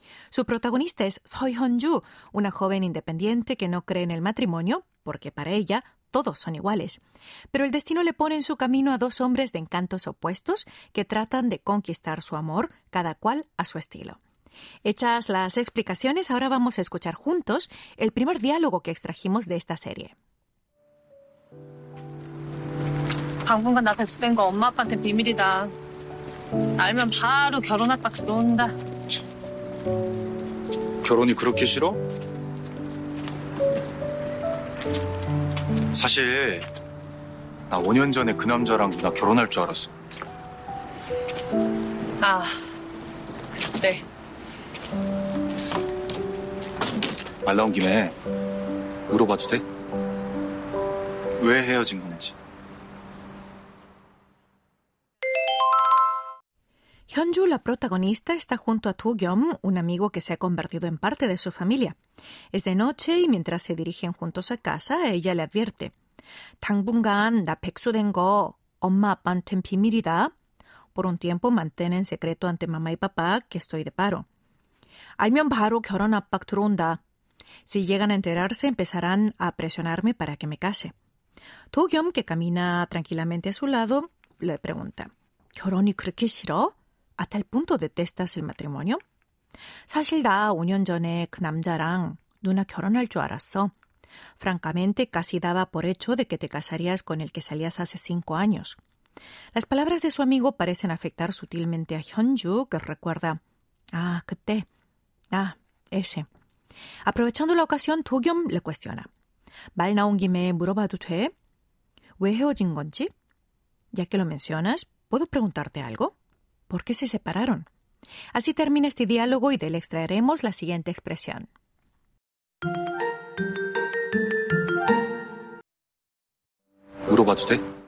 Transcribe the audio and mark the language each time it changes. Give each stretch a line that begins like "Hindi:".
Spanish: Su protagonista es Seo Hyun-ju, una joven independiente que no cree en el matrimonio, porque para ella todos son iguales. Pero el destino le pone en su camino a dos hombres de encantos opuestos que tratan de conquistar su amor, cada cual a su estilo. Hechas las explicaciones, ahora vamos a escuchar juntos el primer diálogo que extrajimos de esta serie.
Korean: 당분간 나 백수된 거 엄마 아빠한테 비밀이다. 알면 바로 결혼할까 그런다. 결혼이 그렇게 싫어? 사실 나 5년 전에 그 남자랑 나 결혼할 줄 알았어. 아, 그때. 말 나온 김에 물어봐도 돼? 왜 헤어진 건지.
Spanish: 현주, la protagonista, está junto a Tugyeom, un amigo que se ha convertido en parte de su familia. Es de noche y mientras se dirigen juntos a casa, ella le advierte.
Korean: 당분간 나 백수 된 거 엄마 아빠한테 비밀이다.
Spanish: Por un tiempo mantén en secreto ante mamá y papá que estoy de paro.
Korean: 알면 바로 결혼 압박 들어온다.
Spanish: Si llegan a enterarse, empezarán a presionarme para que me case. Tugyeom, que camina tranquilamente a su lado, le pregunta.
Korean: 결혼이 그렇게 싫어?
Spanish: ¿A tal punto detestas el matrimonio?
Korean: 사실 나 5년 전에 그 남자랑 누나 결혼할 줄 알았어.
Spanish: Francamente, casi daba por hecho de que te casarías con el que salías hace 5 años. Las palabras de su amigo parecen afectar sutilmente a Hyun-ju, que recuerda. Ah, que te. Ah, ese. Aprovechando la ocasión, Tugyeom le cuestiona.
Korean: 말 나온 김에 물어봐도 돼? 왜 헤어진 건지?
Spanish: Ya que lo mencionas, ¿puedo preguntarte algo? ¿Por qué se separaron? Así termina este diálogo y de él extraeremos la siguiente expresión.
Korean: 물어봐도 돼?